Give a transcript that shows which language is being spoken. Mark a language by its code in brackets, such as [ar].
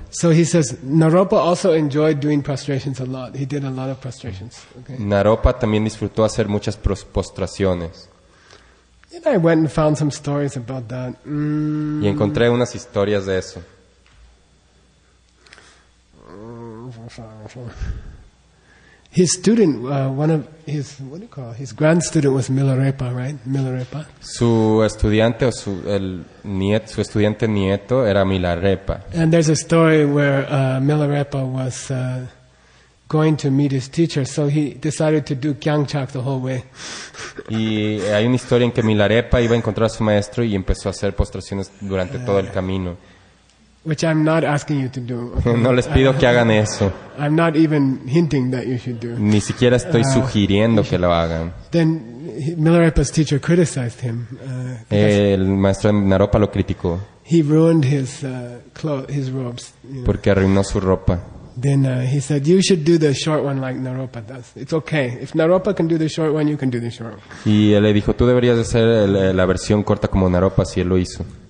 [en] So he says Naropa also enjoyed doing prostrations a lot. He did a lot of prostrations. Okay. [es] Naropa también disfrutó hacer muchas postraciones. [en] And I went and found some stories about that. [es] Y encontré unas historias de eso. [en] His student, one of his, what do you call it? His grand student was Milarepa, right? Milarepa. [es] Su estudiante o su el nieto, su estudiante nieto era Milarepa. [en] And there's a story where Milarepa was going to meet his teacher, so he decided to do kyangchak the whole way. [es] Y hay una historia en que Milarepa iba a encontrar a su maestro y empezó a hacer postraciones durante todo el camino. [en] Which I'm not asking you to do. [es] No les pido que hagan eso. [en] I'm not even hinting that you should do. [es] Ni siquiera estoy sugiriendo que lo hagan. [en] Then Milarepa's teacher criticized him. [es] El maestro de Naropa lo criticó. [en] He ruined his robes. You know. [es] Porque arruinó su ropa. [en] Then he said, "You should do the short one like Naropa does. It's okay. If Naropa can do the short one, you can do the short one." [es] Y él le dijo, "Tú deberías hacer la versión corta como Naropa, si él lo hizo."